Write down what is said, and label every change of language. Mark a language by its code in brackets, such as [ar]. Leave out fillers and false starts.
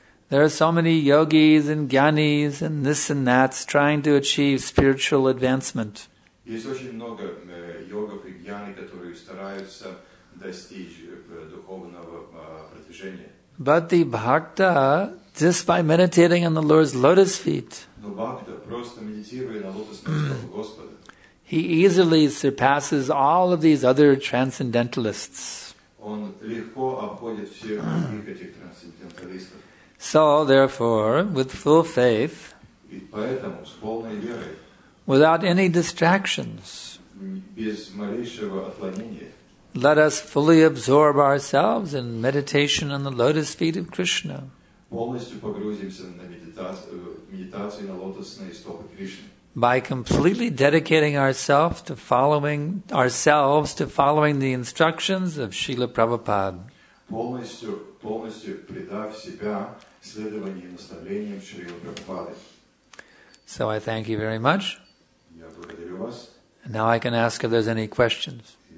[en] There are so many yogis and gyanis and this and that trying to achieve spiritual advancement. [ru] Есть очень много йогов и гьяни, которые стараются достичь духовного продвижения. [en] But the bhakta, just by meditating on the Lord's lotus feet, [ru] но бхакта просто медитируя на лотосных стопах Господа, [en] he easily surpasses all of these other transcendentalists. [ru] Он легко обходит всех других этих трансценденталистов. [en] So, therefore, with full faith, [ru] и поэтому, с полной верой, [en] without any distractions, [ru] без малейшего отклонения, [en] let us fully absorb ourselves in meditation on the lotus feet of Krishna. [ru] Полностью погрузимся на медитацию на лотосные стопы Кришны. [en] By completely dedicating ourselves to following the instructions of Srila Prabhupada. [ru] Полностью предав себя следованию и наставлениям Шрилы Прабхупады. [en] So I thank you very much. [ru] Я благодарю вас. [en] And now I can ask if there's any questions.